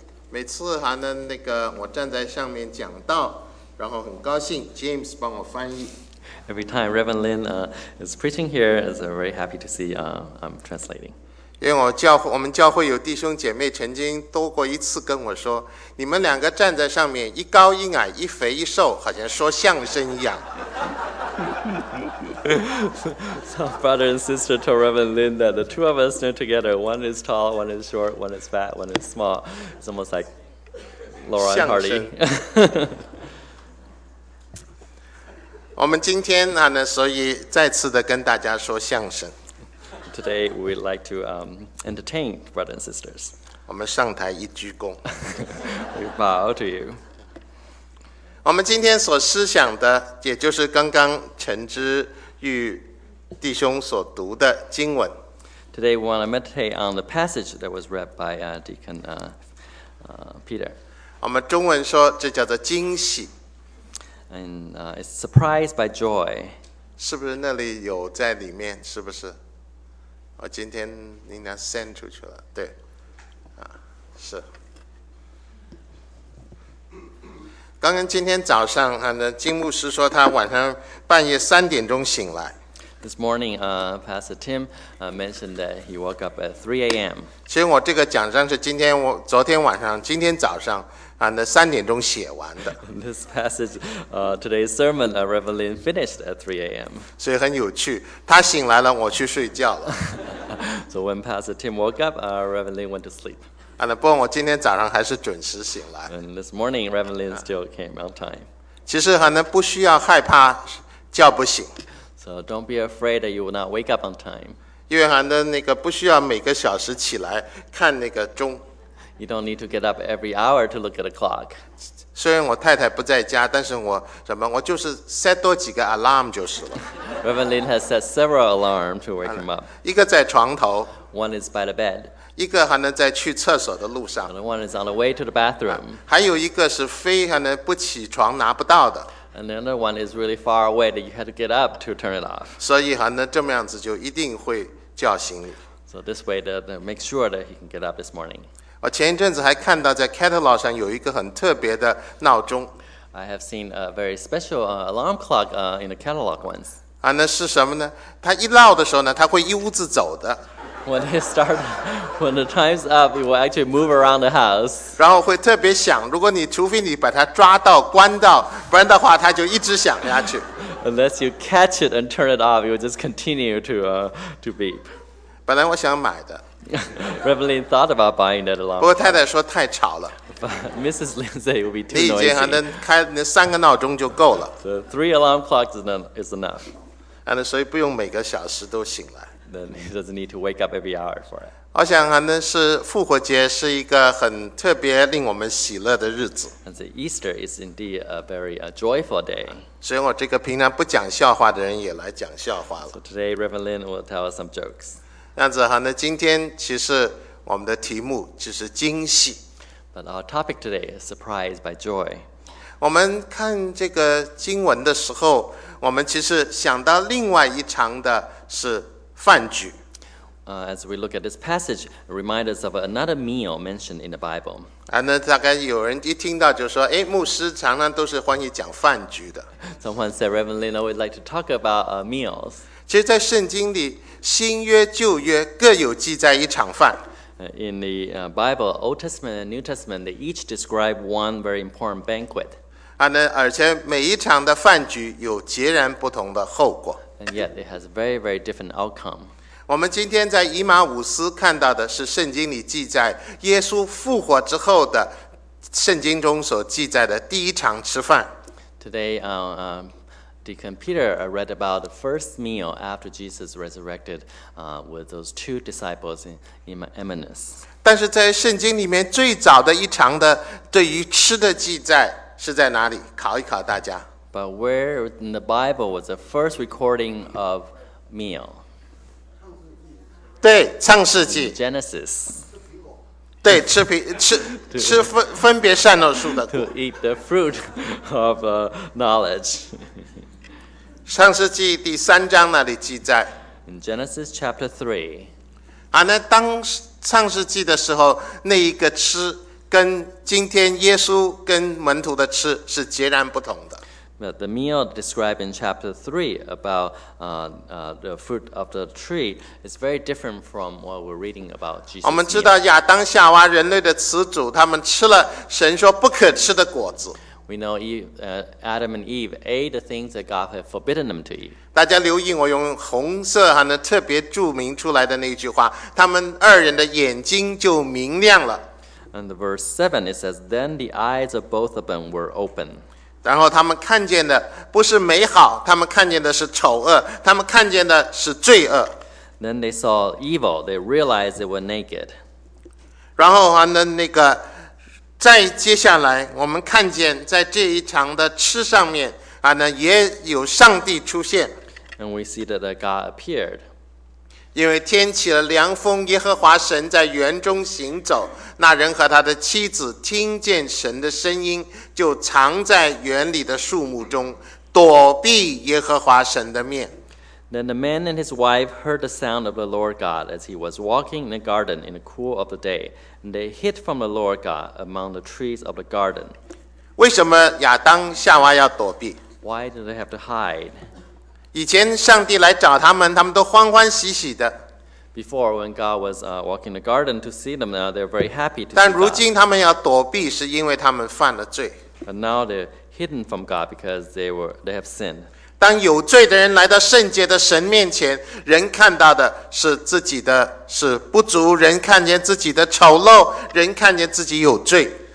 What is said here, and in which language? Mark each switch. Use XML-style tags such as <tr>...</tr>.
<zh>每次还能那个我站在上面讲道，然后很高兴 James 帮我翻译。</zh> <en>Every time Reverend Lin is preaching here, I'm very happy to see I'm translating.</en> <zh>因为我们教会有弟兄姐妹曾经多过一次跟我说，你们两个站在上面，一高一矮，一肥一瘦，好像说相声一样。</zh> <en>Some brother and sister told Reverend Lin that the two of us stand together. One is tall, one is short, one is fat, one is small. It's almost like Laura and Hardy.</en> <zh>我们今天呢，所以再次的跟大家说相声。</zh> <en>Today we'd like to entertain brothers and sisters.</en> <zh>我们上台一鞠躬。</zh> <en>We bow to you.</en> <zh>我们今天所思想的，也就是刚刚陈之玉弟兄所读的经文。</zh> <en>Today we want to meditate on the passage that was read by Deacon Peter.</en> <zh>我们中文说这叫做惊喜。</zh> <en>And it's surprised by joy.</en> <zh>是不是那里有在里面？是不是？我今天应该 send 出去了，对，啊，是。刚刚今天早上，金牧师说他晚上半夜三点钟醒来。</zh> <en>This morning, Pastor Tim mentioned that he woke up at 3 a.m.</en> <zh>其实我这个讲章是今天早上三点钟写完的。</zh> <en>This passage, today's sermon, Reverend Lin finished at 3 a.m.</en> <zh>所以很有趣，他醒来了，我去睡觉了。</zh> <en>So when Pastor Tim woke up, Reverend Lin went to sleep.</en> <zh>不过我今天早上还是准时醒来。</zh> <en>And this morning, Reverend Lin still came on time.</en> <zh>其实不需要害怕叫不醒。</zh> <en>So don't be afraid that you will not wake up on time.</en> <zh>因为不需要每个小时起来看那个钟。</zh> <en>You don't need to get up every hour to look at a clock.</en> <zh>虽然我太太不在家，但是我就是 set 多几个 alarm 就是了。</zh> <en>Reverend Lin has set several alarms to wake him up.</en> <zh>一个在床头。</zh> <en>One is by the bed.</en> <zh>一个在去厕所的路上。</zh> <en>And one is on the way to the bathroom.</en> <zh>还有一个是非不起床拿不到的。</zh> <en>And the other one is really far away that you had to get up to turn it off.</en> <zh>所以这么样子就一定会叫醒你。</zh> <en>So this way to make sure that he can get up this morning.</en> <zh>我前一阵子还看到在 catalog 上有一个很特别的闹钟。</zh> <en>I have seen a very special alarm clock in the catalog once.</en> <zh>那是什么呢？它一闹的时候呢，它会一屋子走的。</zh> <en>When the time's up, it will actually move around the house.</en> <zh>然后会特别响，如果你除非你把它抓到关到，不然的话它就一直响下去。</zh> <en>Unless you catch it and turn it off, it will just continue to beep.</en> <zh>本来我想买的。</zh> <en>Reverend Lin thought about buying that alarm.</en> <zh>不过太太说太吵了。</zh> <en>But Mrs. Lin said it would be too noisy.</en> <zh>你已经开那三个闹钟就够了。</zh> <en>So three alarm clocks is enough.</en> <zh>所以不用每个小时都醒来。</zh> <en>Then he doesn't need to wake up every hour for it.</en> <zh>我想是复活节是一个很特别令我们喜乐的日子。</zh> <en>And Easter is indeed a very joyful day.</en> <zh>所以我这个平常不讲笑话的人也来讲笑话了。</zh> <en>So today Reverend Lin will tell us some jokes.</en> <zh>这样子那今天其实我们的题目就是惊喜。</zh> <en>But our topic today is surprised by joy.</en> <zh>我们看这个经文的时候，我们其实想到另外一场的是饭局。</zh> <en>As we look at this passage, it reminds us of another meal mentioned in the Bible.</en> <zh>那大概有人一听到就说，哎，牧师常常都是欢迎讲饭局的。</zh> <en>Someone said, Reverend Lin, I would like to talk about meals.</en> <zh>其实在圣经里新约旧约各有记载一场饭。</zh> <en>In the Bible, Old Testament and New Testament, they each describe one very important banquet.</en> <zh>而且每一场的饭局有截然不同的后果。</zh> <en>And yet, it has a very, very different outcome.</en> <zh>我们今天在以马忤斯看到的是圣经里记载耶稣复活之后的圣经中所记载的第一场吃饭。</zh> <en>Today, Deacon Peter read about the first meal after Jesus resurrected with those two disciples in Emmaus.</en> <zh>但是在圣经里面最早的一场的对于吃的记载是在哪里？考一考大家。</zh> <en>But where in the Bible was the first recording of meal?</en> <zh>对，创世纪。</zh> <en>Genesis.</en> <zh>对，吃苹吃吃分分别善恶树的果。</zh> <en>To eat the fruit of knowledge.</en> <zh>创世纪第三章那里记载。</zh> <en>In Genesis chapter 3.</en> <zh>啊，那当创世纪的时候，那一个吃跟今天耶稣跟门徒的吃是截然不同的。</zh> <en>But the meal described in chapter 3 about the fruit of the tree is very different from what we're reading about Jesus.</en> <zh>我们知道亚当夏娃人类的始祖，他们吃了神说不可吃的果子。</zh> <en>We know Adam and Eve ate the things that God had forbidden them to eat.</en> <zh>大家留意我用红色哈呢特别注明出来的那句话，他们二人的眼睛就明亮了。</zh> <en>And verse 7 it says, "Then the eyes of both of them were open."</en> <zh>然后他们看见的不是美好，他们看见的是丑恶，他们看见的是罪恶。</zh> <en>Then they saw evil. They realized they were naked.</en> <zh>然后啊，那个，再接下来，我们看见在这一场的吃上面啊，那也有上帝出现。 And we see that God appeared. 因为天起了凉风，耶和华神在园中行走。那人和他的妻子听见神的声音，就藏在园里的树木中，躲避耶和华神的面。</zh> <en>Then the man and his wife heard the sound of the Lord God as he was walking in the garden in the cool of the day, and they hid from the Lord God among the trees of the garden.</en> <zh>为什么亚当夏娃要躲避</zh> <en>？Why do they have to hide？</en> <zh>以前上帝来找他们，他们都欢欢喜喜的。</zh> <en>Before, when God was walking the garden to see them, now they're very happy to see God.</en> <zh>但如今他们要躲避，是因为他们犯了罪。</zh> <en>But now they're hidden from God because they have sinned.</en> <zh>当有罪的人来到圣洁的神面前，人看到的是自己的是不足，人看见自己的丑陋，人看见自己有罪。</zh>